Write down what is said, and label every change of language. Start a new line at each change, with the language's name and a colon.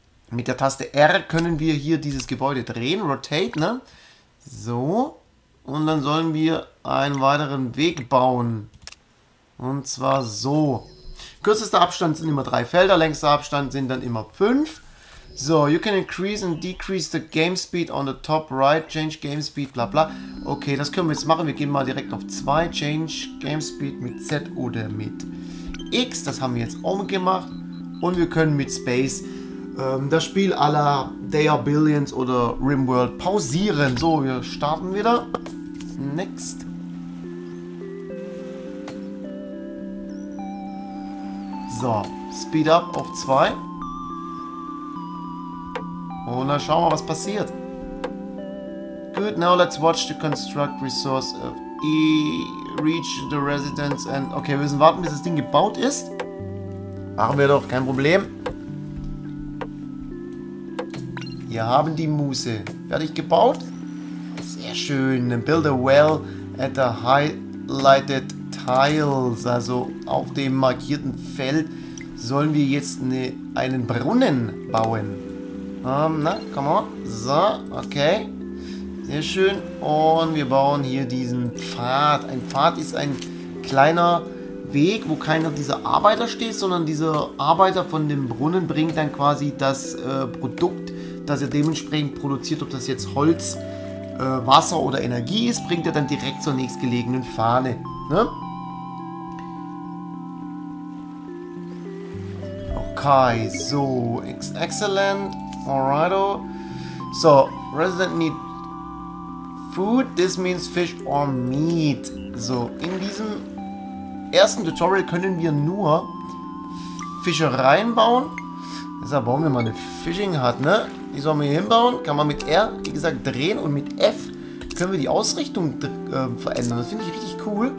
German: Mit der Taste R können wir hier dieses Gebäude drehen, rotate, ne? So. Und dann sollen wir einen weiteren Weg bauen. Und zwar so. Kürzester Abstand sind immer 3 Felder, längster Abstand sind dann immer 5.
English: So, you can increase and decrease the game speed on the top right, change game speed, bla bla.
German: Okay, das können wir jetzt machen. Wir gehen mal direkt auf 2,
English: change game speed
German: mit Z oder mit X. Das haben wir jetzt auch gemacht. Und wir können mit Space das Spiel à la Day of Billions oder RimWorld pausieren. So, wir starten wieder. Next. So, Speed up auf 2. Und dann schauen wir, was passiert.
English: Good, now let's watch the construct resource of E. Reach the residence and.
German: Okay, wir müssen warten, bis das Ding gebaut ist. Machen wir doch, kein Problem. Wir haben die Muse. Fertig gebaut. Sehr schön.
English: Build a well at the highlighted tiles.
German: Also auf dem markierten Feld. Sollen wir jetzt einen Brunnen bauen? Na,
English: come on.
German: So, okay. Sehr schön. Und wir bauen hier diesen Pfad. Ein Pfad ist ein kleiner Weg, wo keiner dieser Arbeiter steht, sondern dieser Arbeiter von dem Brunnen bringt dann quasi das Produkt, das er dementsprechend produziert, ob das jetzt Holz, Wasser oder Energie ist, bringt er dann direkt zur nächstgelegenen Fahne. Ne?
English: Okay, so, excellent, alrighto. So, resident need food, this means fish or meat.
German: So, in diesem ersten Tutorial können wir nur Fischereien bauen. Deshalb bauen wir mal eine Fishing Hut, ne? Die sollen wir hier hinbauen, kann man mit R, wie gesagt, drehen und mit F können wir die Ausrichtung verändern. Das finde ich richtig cool.